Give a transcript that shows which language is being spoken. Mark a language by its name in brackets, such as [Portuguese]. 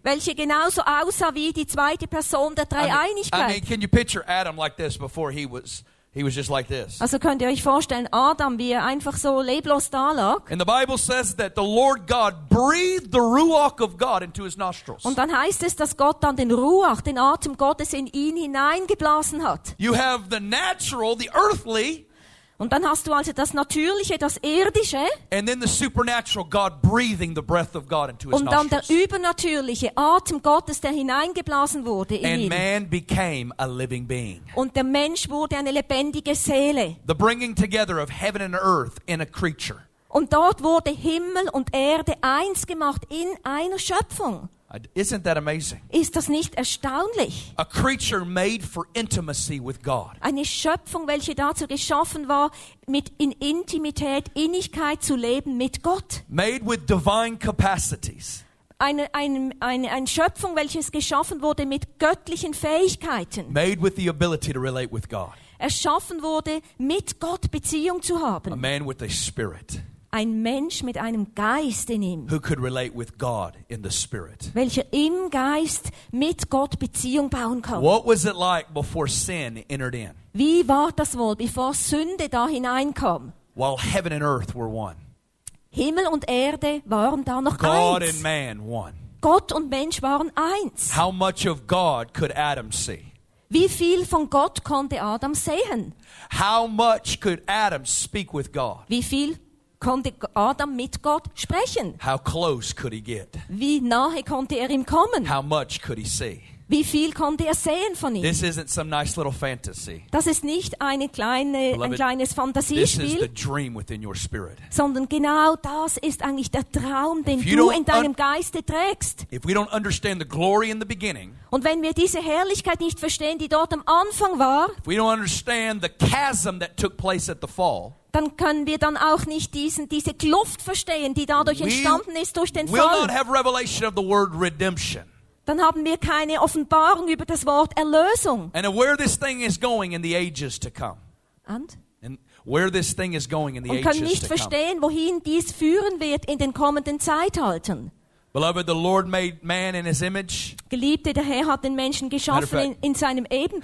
[German] Welche genauso aussah wie die zweite Person der Dreieinigkeit. [English] I mean, can you picture Adam like this before he was just like this? [German] Also könnt ihr euch vorstellen, Adam, wie er einfach so leblos da lag. [English] And the Bible says that the Lord God breathed the Ruach of God into his nostrils. [German] Und dann heißt es, dass Gott dann den Ruach, den Atem Gottes in ihn hineingeblasen hat. [English] You have the natural, the earthly. [German] Und dann hast du also das Natürliche, das Irdische. [English] And then the supernatural God breathing the breath of God into his [German] nostrils. Und dann der übernatürliche Atem Gottes, der hineingeblasen wurde in ihn. [English] And man became a living being. [German] Und der Mensch wurde eine lebendige Seele. [English] The bringing together of heaven and earth in a creature. [German] Und dort wurde Himmel und Erde eins gemacht in einer Schöpfung. [English] Isn't that amazing? [German] Ist das nicht erstaunlich? [English] A creature made for intimacy with God. [German] Eine Schöpfung, welche dazu geschaffen war, mit in Intimität, Innigkeit zu leben mit Gott. [English] Made with divine capacities. [German] Eine Schöpfung, welches geschaffen wurde mit göttlichen Fähigkeiten. [English] Made with the ability to relate with God. [German] Erschaffen wurde, mit Gott Beziehung zu haben. [English] A man with a spirit. [German] Ein Mensch mit einem Geist in ihm, [English] who could relate with God in the Spirit. [German] Welcher im Geist mit Gott Beziehung bauen kann. [English] What was it like before sin entered in? [German] Wie war das wohl, bevor Sünde da hineinkam? [English] While heaven and earth were one. [German] Himmel und Erde waren da noch [English] God [German] eins. [English] And man one. [German] Gott und Mensch waren eins. [English] How much of God could Adam see? [German] Wie viel von Gott konnte Adam sehen? [English] How much could Adam speak with God? [German] Wie viel konnte Adam mit Gott sprechen? [English] How close could he get? [German] Wie nahe konnte ihm kommen? [English] How much could he see? [German] Wie viel konnte sehen von ihm? [English] This isn't some nice little fantasy. [German] Das ist nicht eine kleine, [English] Beloved, [German] ein kleines Fantasiespiel. [English] This is the dream within your spirit. [German] Sondern genau das ist eigentlich der Traum, den du in deinem Geiste trägst. [English] If we don't understand the glory in the beginning, [German] und wenn wir diese Herrlichkeit nicht verstehen, die dort am Anfang war, [English] if we don't understand the chasm that took place at the fall, [German] dann können wir dann auch nicht diese Kluft verstehen, die dadurch entstanden ist durch den Fall. [English] We will not have revelation of the word redemption. [German] Dann haben wir keine Offenbarung über das Wort Erlösung. [English] And where this thing is going in the ages to come. And where this thing is going in the ages to come. [German] Und können nicht verstehen, wohin dies führen wird in den kommenden Zeitaltern. [English] Beloved, the Lord made man in his image. [German] Geliebte, der Herr hat den Menschen geschaffen in seinem Ebenbild.